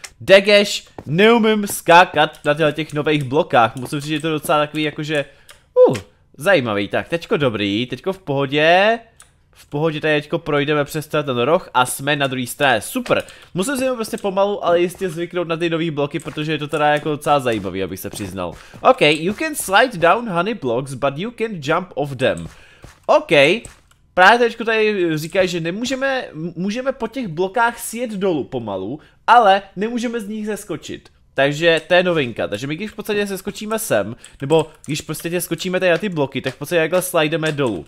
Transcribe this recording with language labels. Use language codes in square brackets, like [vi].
[cs] Degeš, neumím skákat na těch nových blokách. Musím říct, že je to docela takový jakože. Zajímavý. Tak teďko dobrý, teďko v pohodě. V pohodě tady teďko projdeme přes ten roh a jsme na druhé straně. Super! Musím si jenom prostě pomalu, ale jistě zvyknout na ty nový bloky, protože je to teda jako docela zajímavý, abych se přiznal. [en] OK, you can slide down honey blocks, but you can jump off them. [cs] OK, právě teďko tady říkají, že můžeme po těch blokách sjet dolů pomalu, ale nemůžeme z nich zeskočit. Takže to je novinka. Takže my když v podstatě se skočíme sem, nebo když prostě tě skočíme tady na ty bloky, tak v podstatě takhle slideme dolů.